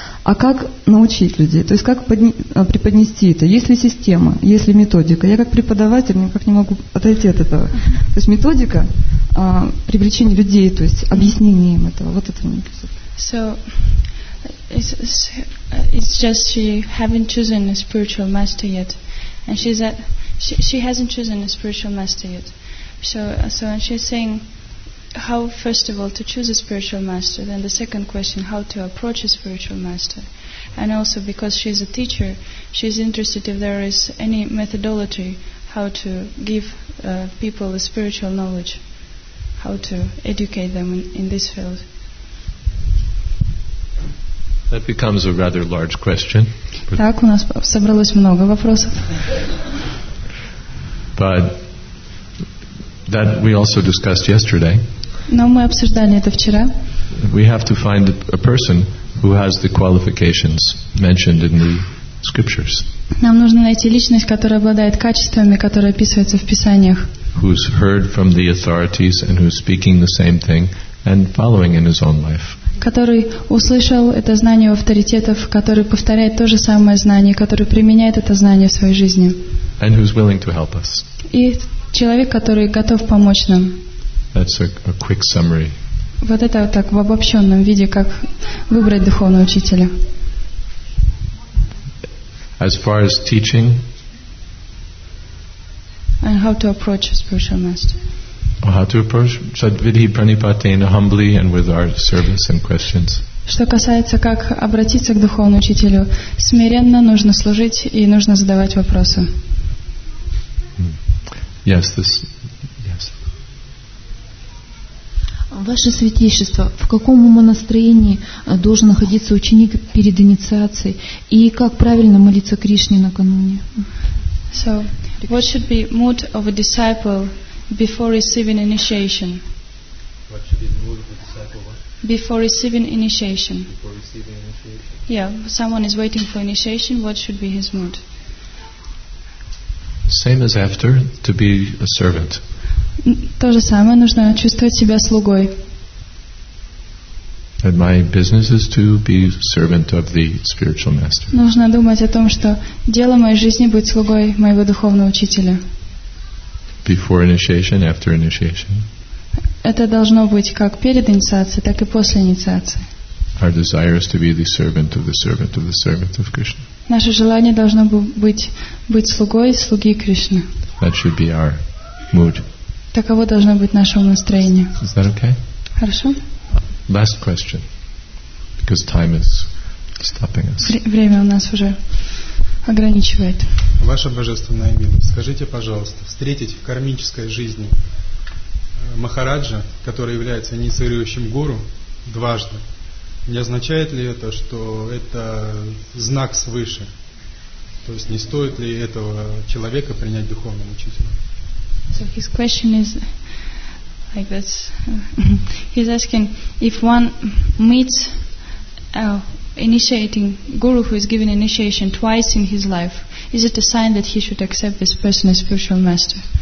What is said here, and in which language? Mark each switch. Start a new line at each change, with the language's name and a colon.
Russian: А как научить людей? То есть как преподнести это? Есть ли система? Есть ли методика? Я как преподаватель никак не могу отойти от этого. То есть методика привлечения людей, то есть объяснение им этого. Вот это мне кажется.
English: It's just she haven't chosen a spiritual master yet, and she hasn't chosen a spiritual master yet. So and she's saying how first of all to choose a spiritual master, then the second question how to approach a spiritual master, and also because she's a teacher, she's interested if there is any methodology how to give people a spiritual knowledge, how to educate them in this field. That becomes a rather large question.
Russian: Так, у нас собралось много вопросов.
English: But that we also discussed yesterday.
Russian: Но мы обсуждали это вчера.
English: We have to find a person who has the qualifications mentioned in the scriptures.
Russian: Нам нужно найти личность, которая обладает качествами, которые описываются в писаниях.
English: Who's heard from the authorities and who's speaking the same thing and following in his own life.
Russian: Который услышал это знание у авторитетов, который повторяет то же самое знание, который применяет это знание в своей жизни.
English: And who's willing to help us.
Russian: И человек, который готов помочь нам.
English: That's a quick summary.
Russian: Вот это вот так в обобщенном виде, как выбрать духовного учителя.
English: As far as teaching, and how to approach a spiritual master. How to approach Sadvidhi Pranipatena humbly and with our service and questions.
Russian: Что касается, как обратиться к духовному учителю, смиренно нужно служить и нужно задавать вопросы.
English: Yes, this. Yes.
Russian: Ваше святейшество, в каком умонастроении должен находиться ученик перед инициацией и как правильно молиться Кришне накануне?
English: So, what should be mood of a disciple before receiving initiation? What should be the mood of a disciple? Before receiving initiation. Before receiving initiation. Yeah, someone is waiting for initiation. What should be his mood? Same as after, to be a servant.
Russian: То же самое, нужно чувствовать себя слугой.
English: And my business is to be servant of the spiritual master.
Russian: Нужно думать о том, что дело моей жизни быть слугой моего духовного учителя.
English: Before initiation, after initiation.
Russian: Это должно быть как перед инициацией, так и после инициации.
English: Our desire is to be the servant of the servant of the servant of Krishna.
Russian: Наше желание должно быть слугой слуги Кришны.
English: That should be our mood.
Russian: Таково должно быть наше настроение.
English: Is that okay?
Russian: Хорошо.
English: Last question, because time is stopping us.
Russian: Время у нас уже ограничивает. Ваша божественная милость, скажите, пожалуйста, встретить в кармической жизни Махараджа, который является инициирующим гуру, дважды, не означает ли это, что это знак свыше? То есть не стоит ли этого человека принять духовным учителем?
English: So his question is like this. He's asking, if one meets initiating guru who is given initiation twice in his life, is it a sign that he should accept this person as spiritual master?